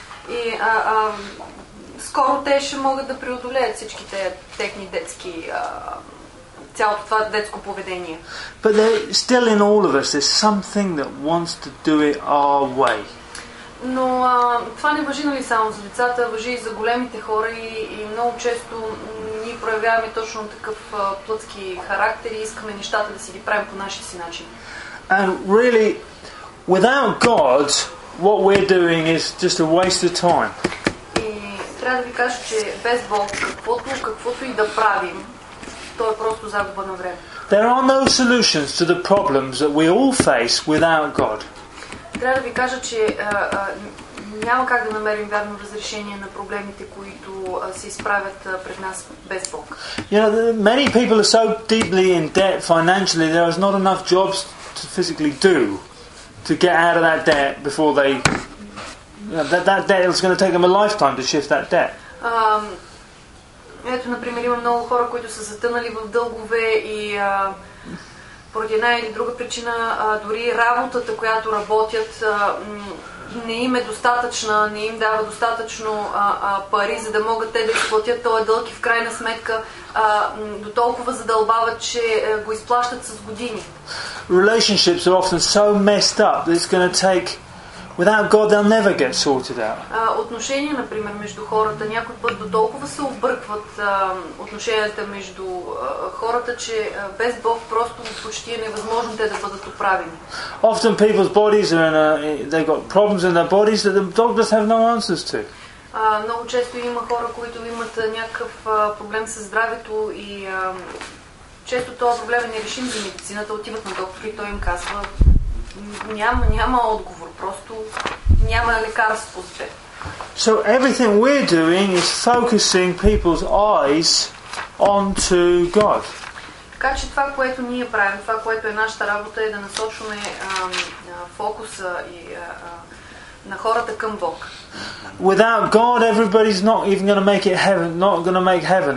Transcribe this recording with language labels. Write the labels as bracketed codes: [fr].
[bg] И скоро те ще могат да преодолеят всичките техни детски цялото това детско поведение. [en] But there still in all of us there's something that wants to do it our way. [bg] Но това не важи нали само за децата, важи и за големите хора и много често ние проявяваме точно такъв плътски характер и искаме нещата да си ги правим по нашия си начин. [en] And really, without God, what we're doing is just a waste of time. [bg] И трябва да ви кажа, че без Бог, каквото и да правим, то е просто загуба на време. [en] There are no solutions to the problems that we all face without God. [bg] Трябва да ви кажа, че няма как да намерим вярно разрешение на проблемите, които се изправят пред нас без Бог. [en] You know, many people are so deeply in debt financially, there is not enough jobs to physically do to get out of that debt before they... You know, that debt is going to take them a lifetime to shift that debt. [bg] Ето, например, има много хора, които са затънали в дългове и поради една или друга причина, дори работата, която работят, не им е достатъчна, не им дава достатъчно пари, за да могат те да изплатят този дълг и в крайна сметка до толкова задълбават, че го изплащат с години. [en] Relationships are often so messed up that it's going to take... Without God, they'll never get sorted out. [bg] Отношения, например, между хората някой път до толкова се объркват отношенията между хората, че без Бог просто почти е невъзможно те да бъдат оправени. [en] Often people's bodies are in a, they've got problems in their bodies that the doctors have no answers to. [bg] Много често има хора, които имат някакъв проблем със здравето и често този проблем е нерешим за медицината, отиват на доктор и той им казва. Няма отговор, просто няма лекарство за те. [en] So everything we're doing is focusing people's eyes onto God. [bg] Така че това, което ние правим, това, което е нашата работа, е да насочваме фокуса и на хората към Бог. [en] Without God, everybody's not even going to make it heaven, not going to make heaven.